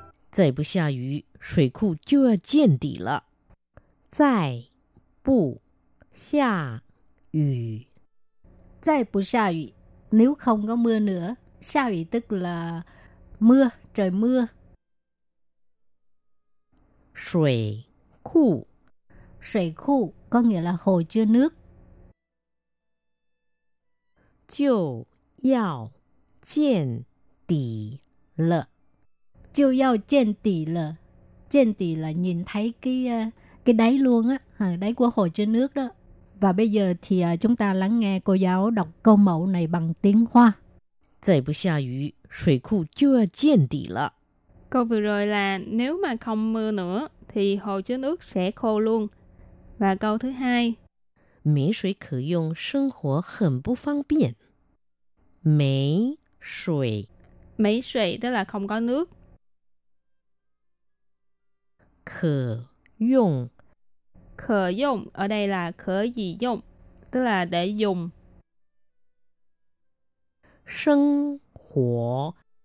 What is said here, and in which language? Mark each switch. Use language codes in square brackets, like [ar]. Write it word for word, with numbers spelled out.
[zh] 再不下雨，水库就要见底了。再不下雨，再不下雨 [vi] nếu không có mưa nữa. Xa雨 tức là mưa, trời mưa. [zh] 水库，水库 [vi] có nghĩa là hồ chứa nước. [zh] 就要见底了。就要见底了，见底了 [vi] nhìn thấy cái cái đáy luôn á, đáy của hồ chứa nước đó. Và bây giờ thì chúng ta lắng nghe cô giáo đọc câu mẫu này bằng tiếng Hoa. [zh] 再不下雨，水库就要见底了。 [vi] Câu vừa rồi là nếu mà không mưa nữa thì hồ chứa nước sẽ khô luôn. Và câu thứ hai, [zh] 没水可用，生活很不方便。没水，没水 水 [vi] tức là không có nước. [zh] 可用，可用 [vi] ở đây là [zh] 可以用 [vi] tức là để dùng. [zh] 生活